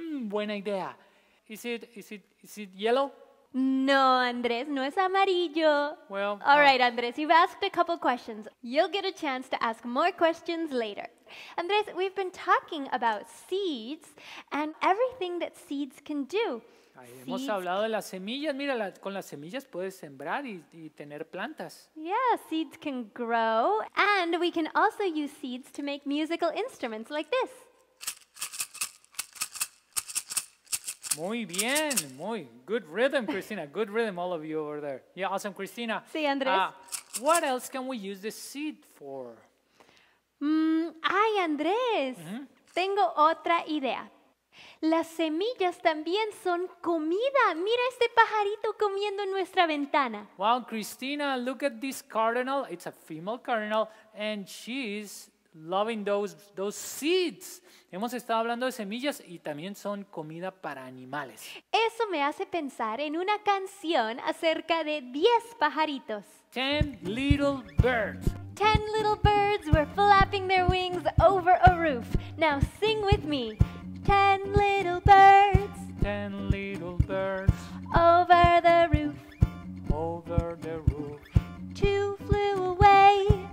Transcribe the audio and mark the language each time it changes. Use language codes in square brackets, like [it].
[es] Buena idea. [en] Is it yellow? [es] No, Andrés, no es amarillo. [en] Well, all right, Andrés, you've asked a couple questions. You'll get a chance to ask more questions later. Andrés, we've been talking about seeds and everything that seeds can do. [es] Hemos hablado de las semillas. Mira, con las semillas puedes sembrar y tener plantas. [en] Yeah, seeds can grow. And we can also use seeds to make musical instruments like this. [es] Muy bien. [en] Muy good rhythm, Cristina. Good rhythm, all of you over there. Yeah, awesome, Cristina. [es] Sí, Andrés. [en] What else can we use the seed for? [es] Ay, Andrés. Mm-hmm. Tengo otra idea. Las semillas también son comida. Mira este pajarito comiendo en nuestra ventana. [en] Wow, Cristina, look at this cardinal. It's a female cardinal and she's loving those seeds. [es] Hemos estado hablando de semillas y también son comida para animales. Eso me hace pensar en una canción acerca de 10 pajaritos. [en] 10 little birds. 10 little birds were flapping their wings over a roof. Now sing with me. 10 little birds. 10 little birds. Over the roof. Over the roof. 2 flew away.